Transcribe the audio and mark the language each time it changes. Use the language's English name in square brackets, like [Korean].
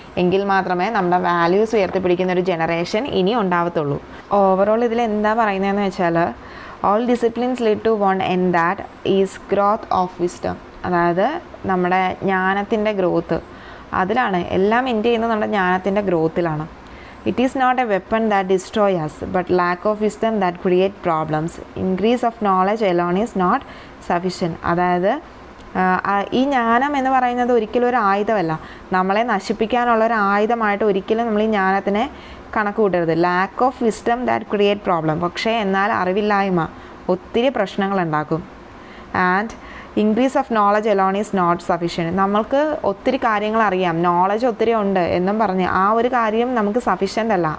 [Malayalam] എങ്കിൽ മാത്രമേ നമ്മുടെ വാല്യൂസ് ഉയർത്തിപ്പിടിക്കുന്ന ഒരു ജനറേഷൻ ഇനി ഉണ്ടാവത്തുള്ളൂ. ഓവറോൾ ഇതിൽ എന്താ പറയുന്നതെന്ന് വെച്ചാൽ, [English] All disciplines lead to one end that is growth of wisdom. [Malayalam] അതായത് നമ്മുടെ ജ്ഞാനത്തിൻ്റെ ഗ്രോത്ത് അതിലാണ്, എല്ലാം എൻ്റെ ചെയ്യുന്നത് നമ്മുടെ ജ്ഞാനത്തിൻ്റെ ഗ്രോത്തിലാണ്. [English] It is not a weapon that destroys us, but lack of wisdom that creates problems. Increase of knowledge alone is not sufficient. [Malayalam] അതായത് ഈ ജ്ഞാനം എന്ന് പറയുന്നത് ഒരിക്കലും ഒരു ആയുധമല്ല, നമ്മളെ നശിപ്പിക്കാനുള്ള ഒരു ആയുധമായിട്ട് ഒരിക്കലും നമ്മൾ ഈ ജ്ഞാനത്തിനെ കണക്ക് കൂട്ടരുത്. [English] lack of wisdom that create problem, [Malayalam] പക്ഷേ എന്നാൽ അറിവില്ലായ്മ ഒത്തിരി പ്രശ്നങ്ങൾ ഉണ്ടാക്കും. [English] And increase of knowledge alone is not sufficient. [Malayalam] നമ്മൾക്ക് ഒത്തിരി കാര്യങ്ങൾ അറിയാം, നോളജ് ഒത്തിരി ഉണ്ട് എന്നും പറഞ്ഞ് ആ ഒരു കാര്യം നമുക്ക് സഫിഷ്യൻ്റ് അല്ല.